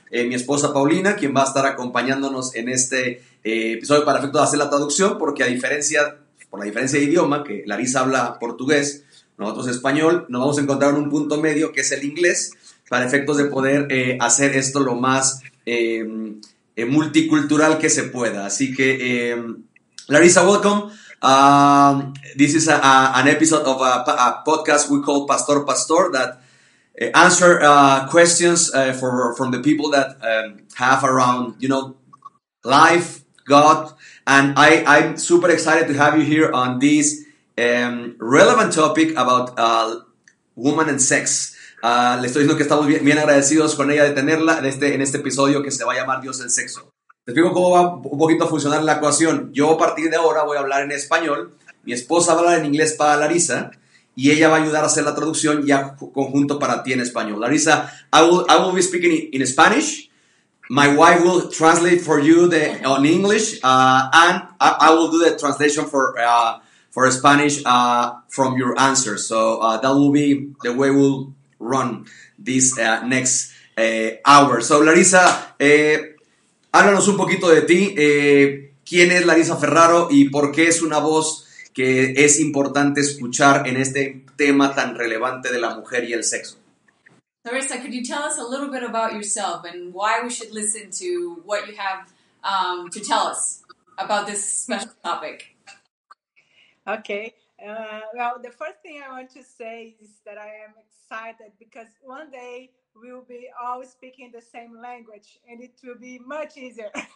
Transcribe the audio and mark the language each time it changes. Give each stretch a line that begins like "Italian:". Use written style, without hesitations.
Spanish: Mi esposa Paulina, quien va a estar acompañándonos en este episodio para efecto de hacer la traducción, porque por la diferencia de idioma, que Larisa habla portugués, nosotros español, nos vamos a encontrar en un punto medio que es el inglés, para efectos de poder hacer esto lo más multicultural que se pueda. Así que, Larisa, welcome.
English: This is an episode of a podcast we call Pastor Pastor that answer questions from the people that have around, you know, life, God, and I'm super excited to have you here on this relevant topic about woman and sex.
Spanish: Le estoy diciendo que estamos bien agradecidos con ella de tenerla en este episodio que se va a llamar Dios el Sexo. Te explico cómo va un poquito a funcionar la ecuación. Yo a partir de ahora voy a hablar en español, mi esposa va a hablar en inglés para Larisa y ella va a ayudar a hacer la traducción ya conjunto para ti en español.
English: Larisa, I will be speaking in Spanish. My wife will translate for you on English and I will do the translation for Spanish from your answers. So that will be the way we'll run this next hour.
Spanish: So Larisa, háblanos un poquito de ti. ¿Quién es Larisa Ferraro y por qué es una voz que es importante escuchar en este tema tan relevante de la mujer y el sexo?
English: Larisa, could you tell us a little bit about yourself and why we should listen to what you have to tell us about this special topic? Okay. Well, the first thing I want to say is that I am excited because one day we'll be all speaking the same language and it will be much easier.